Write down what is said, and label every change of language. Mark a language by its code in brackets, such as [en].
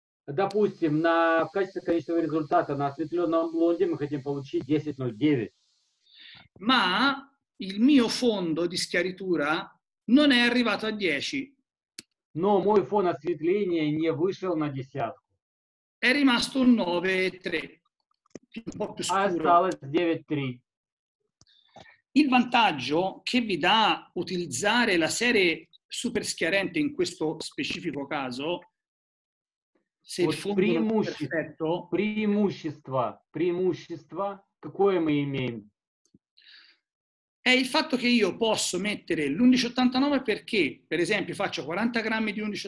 [ru] Допустим, на качестве конечного результата на осветленном блонде мы хотим получить 10.09. [it] Ma il mio fondo di schiaritura non è arrivato a 10. [ru] Но мой фон осветления не вышел на десятку. [it] È rimasto un 9.3. Un po' più scuro. [ru] Осталось 9.3. [it] Il vantaggio che vi dà utilizzare la serie super schiarente in questo specifico caso, se il fondo è perfetto, [ru] преимущество, какое мы имеем? [it] È il fatto che io posso mettere l'1189 perché, per esempio, faccio 40 grammi di